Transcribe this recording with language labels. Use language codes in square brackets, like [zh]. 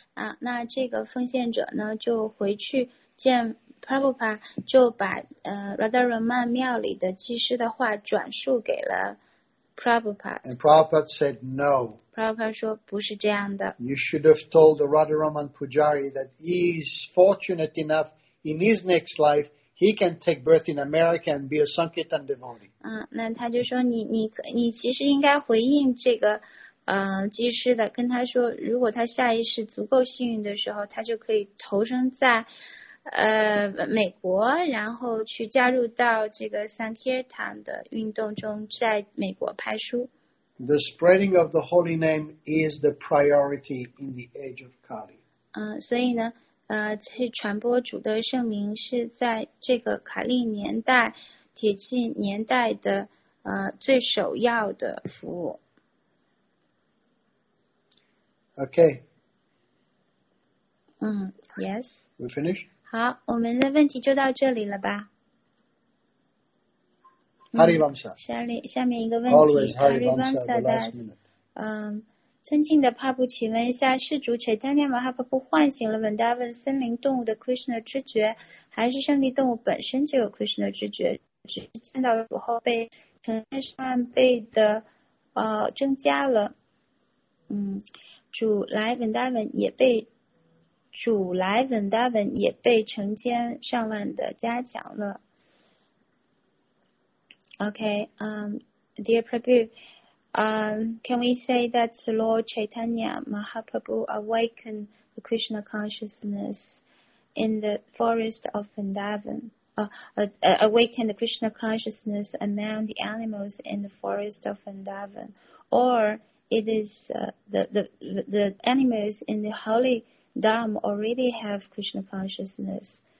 [zh] 啊，那这个奉献者呢，就回去见 Prabhupada， 就把Radharaman 庙里的技师的话转述给了 Prabhupada. [en] And Prabhupada said no. [zh] Prabhupada 说不是这样的。 [en] You should have told the Radharaman pujari that he is fortunate enough in his next life. He can take birth in America and be a Sankirtan devotee. [zh] 那他就说你其实应该回应这个技师的，跟他说，如果他下一世足够幸运的时候，他就可以投身在美国，然后去加入到这个 Sankirtan 的运动中，在美国派书。 [en] The spreading of the holy name is the priority in the age of Kali. [zh] 所以呢。去传播主的圣名是在这个卡利年代、铁器年代的最首要的服务。 [en] Okay. Yes. We finished. [zh] 好，我们的问题就到这里了吧。 [en] Hari Vamsa. [zh] 下面一个问题 ，Hari Vamsa 的。尊敬的帕布，请问一下，是主切丹尼马哈帕布唤醒了文达文森林动物的 Krishna 知觉，还是圣地动物本身就有 Krishna 知觉，只是见到了后被成千上万倍的增加了？主来文达文也被成千上万的加强了。 [en] Dear Prabhu。 Can we say that Lord Chaitanya Mahaprabhu awakened the Krishna consciousness in the forest of Vrindavan, awakened the Krishna consciousness among the animals in the forest of Vrindavan, or it is the animals in the holy dham already have Krishna consciousness?